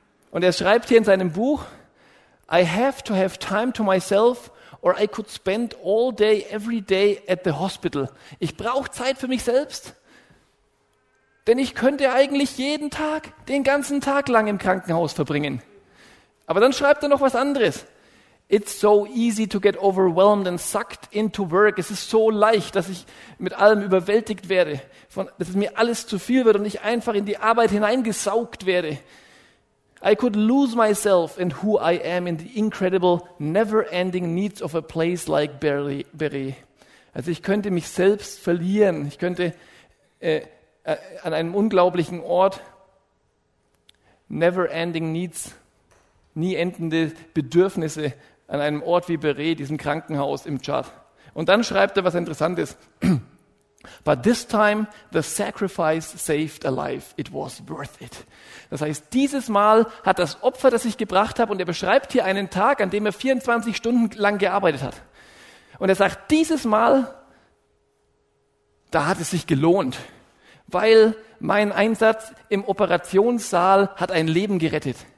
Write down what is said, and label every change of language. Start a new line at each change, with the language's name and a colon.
German: Und er schreibt hier in seinem Buch,
English: I have to have time to myself or I could spend all day, every day at the hospital.
German: Ich brauche Zeit für mich selbst, denn ich könnte eigentlich jeden Tag, den ganzen Tag lang im Krankenhaus verbringen. Aber dann schreibt er noch was anderes.
English: It's so easy to get overwhelmed and sucked into work.
German: Es ist so leicht, dass ich mit allem überwältigt werde, dass es mir alles zu viel wird und ich einfach in die Arbeit hineingesaugt werde.
English: I could lose myself and who I am in the incredible, never-ending needs of a place like Beret.
German: Also ich könnte mich selbst verlieren. Ich könnte an einem unglaublichen Ort
English: never-ending needs,
German: nie endende Bedürfnisse an einem Ort wie Beret, diesem Krankenhaus im Tschad. Und dann schreibt er was Interessantes.
English: But this time the sacrifice saved a life. It was worth it.
German: Das heißt, dieses Mal hat das Opfer, das ich gebracht habe, und er beschreibt hier einen Tag, an dem er 24 Stunden lang gearbeitet hat. Und er sagt, dieses Mal da hat es sich gelohnt, weil mein Einsatz im Operationssaal hat ein Leben gerettet.